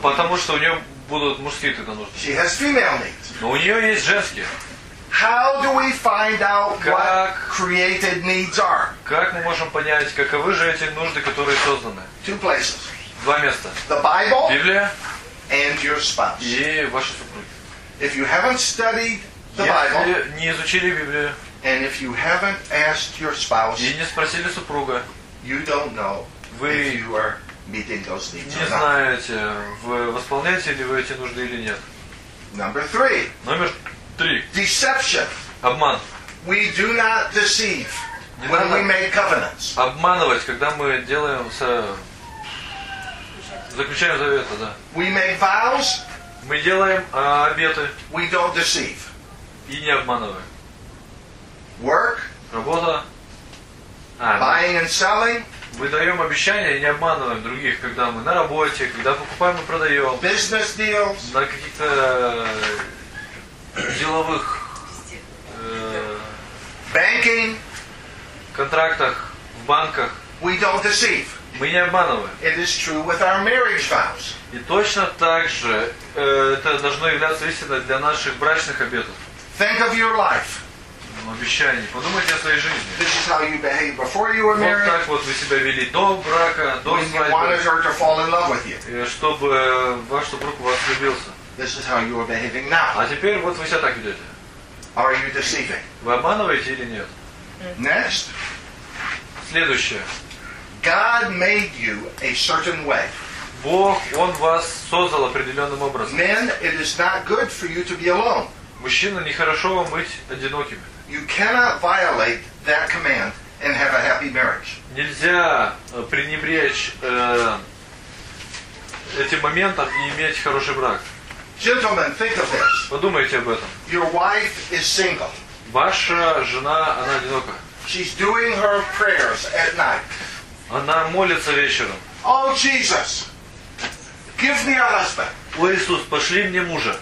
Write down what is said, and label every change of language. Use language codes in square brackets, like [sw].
[ru] Потому что у нее будут мужские тогда нужды. [en] She has female needs. [ru] Но у нее есть женские. [en] How do we find out what created needs are? [ru] Как мы можем понять, каковы же эти нужды, которые созданы? [en] Two places. [ru] Два места. [en] The Bible. [ru] Библия. [en] And your spouse. [ru] И ваши супруги. [en] If you haven't studied the Bible. [ru] Если не изучили Библию. [en] And if you haven't asked your spouse. [ru] И не спросили супруга. [en] You don't know. [ru] Вы [en] if you are meeting those needs. [ru] Не знаете, вы восполняете ли вы эти нужды или нет. [en] Number three. [ru] Номер три. [en] Deception. [ru] Обман. [en] We do not deceive when we make covenants. [ru] Обманывать, когда мы делаем с заключаем заветы, да. [en] We make vows. [ru] Мы делаем обеты. [en] We don't deceive. [ru] И не обманываем. [en] Work. [ru] Работа. [en] Buying and selling. [ru] Мы даем обещания и не обманываем других, когда мы на работе, когда покупаем и продаем. [en] Business deals. [ru] На каких-то деловых [en] banking. [ru] Контрактах в банках. [en] We don't deceive. [ru] Мы не обманываем. [en] It is true with our marriage vows. [ru] И точно так же это должно являться истиной для наших брачных обетов. [en] Think of your life. [ru] Обещание. Подумайте о своей жизни. [en] This is how you behave before you were married. [ru] Вот так вот вы себя вели до брака, до свадьбы. [en] When you wanted her to fall in love with you. [ru] Чтобы ваш супруг у вас влюбился. [en] This is how you are behaving now. [ru] А теперь вот вы себя так ведете. [en] Are you deceiving? [ru] Вы обманываете или нет? [en] Next. [ru] Следующее. [en] God made you a certain way. [ru] Бог, Он вас создал определенным образом. [en] Men, it is not good for you to be alone. [ru] Мужчина, нехорошо вам быть одинокими. [en] You cannot violate that command and have a happy marriage. [ru] Нельзя пренебречь этим моментом и иметь хороший брак. [en] Gentlemen, think of this. [ru] Подумайте об этом. [en] Your wife is single. [ru] Ваша жена, она одинока. [en] She's doing her prayers at night. [ru] Она молится вечером. [en] Oh, Jesus, give me a husband. [ru] О, Иисус, пошли мне мужа.